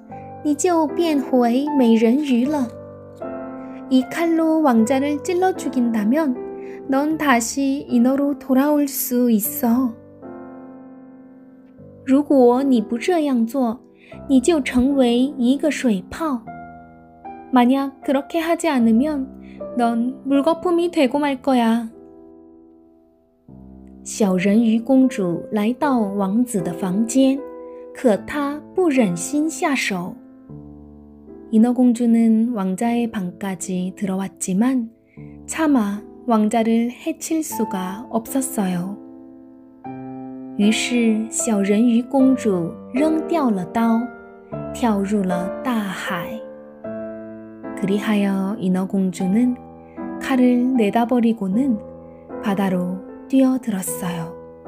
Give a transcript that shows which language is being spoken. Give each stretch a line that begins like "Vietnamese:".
Chinese: 你用这把刀刺死王子，你就变回美人鱼了。
Korean: 이 칼로 왕자를 찔러 죽인다면 넌 다시 인어로 돌아올 수 있어.
Chinese: 如果你不这样做，你就成为一个水泡。
Korean: 만약 그렇게 하지 않으면 넌 물거품이 되고 말 거야.
Chinese: 小人鱼公主来到王子的房间，可她不忍心下手。
Korean: 인어공주는 왕자의 방까지 들어왔지만 차마 왕자를 해칠 수가 없었어요.
Chinese: 于是小人鱼公主扔掉了刀，跳入了大海。
Korean: 그리하여 인어공주는 칼을 내다버리고는 바다로 뛰어들었어요.